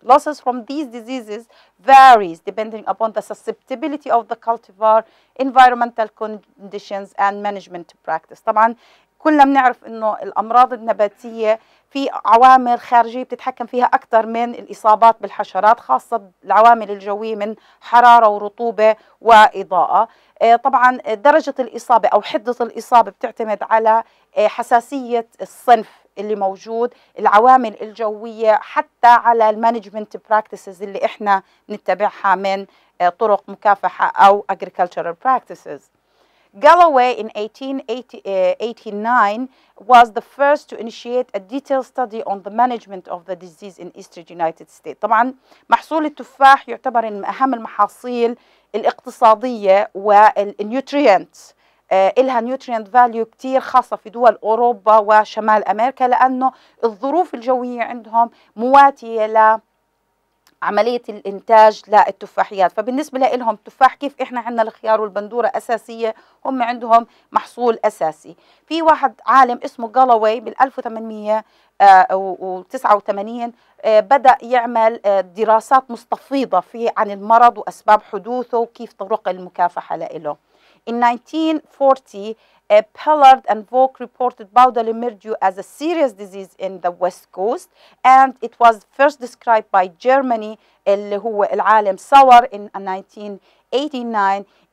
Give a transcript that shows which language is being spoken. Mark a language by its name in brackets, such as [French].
[English] Losses from these diseases varies depending upon the susceptibility of the cultivar, environmental conditions and management practice. [Arabic] طبعا كلنا بنعرف انه الأمراض النباتية في عوامل خارجية بتتحكم فيها أكثر من الإصابات بالحشرات, خاصة العوامل الجوية من حرارة ورطوبة وإضاءة. طبعا درجة الإصابة أو حدة الإصابة بتعتمد على حساسية الصنف اللي موجود, العوامل الجوية, حتى على المانجمنت براكتسز اللي إحنا نتبعها من طرق مكافحة أو [English] agricultural practices. Galloway in 1889 was the first to initiate a detailed study on the management of the disease in Eastern United States. [Arabic] طبعا محصول التفاح يعتبر من أهم المحاصيل الاقتصادية والنيوتريينت, إلها نيوتريينت فاليو كتير, خاصة في دول أوروبا وشمال أمريكا, لأنه الظروف الجوية عندهم مواتية لعملية الإنتاج للتفاحيات. فبالنسبة لهم التفاح, كيف إحنا عندنا الخيار والبندورة أساسية, هم عندهم محصول أساسي. في واحد عالم اسمه جالوي بال 1889 بدأ يعمل دراسات مستفيضة في عن المرض وأسباب حدوثه وكيف طرق المكافحة له. [English] In 1940, Pellard and Volk reported powdery mildew as a serious disease in the West Coast, and it was first described by Germany, [Arabic] اللي هو العالم [English] Sauer, in 1989.